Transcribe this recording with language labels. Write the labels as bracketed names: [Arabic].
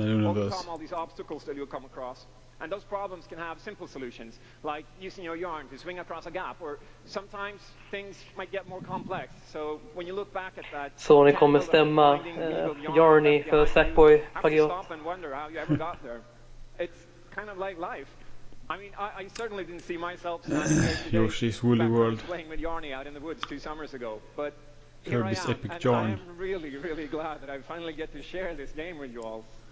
[English] overcome all these obstacles that you'll come across. And those problems can have simple solutions, like using your yarn to swing across a gap, or sometimes things might get more complex. So when you look back at that, [Swedish] so ni kommer stämma yarny för Sackboy plagiat. [English] You stop and wonder how you ever got there. It's kind of like life. I mean, I certainly didn't see myself Yoshi's Woolly World playing with yarny out in the woods 2 summers ago, but Kirby's epic yarn. I am really, really glad that I finally get to share this game with you all.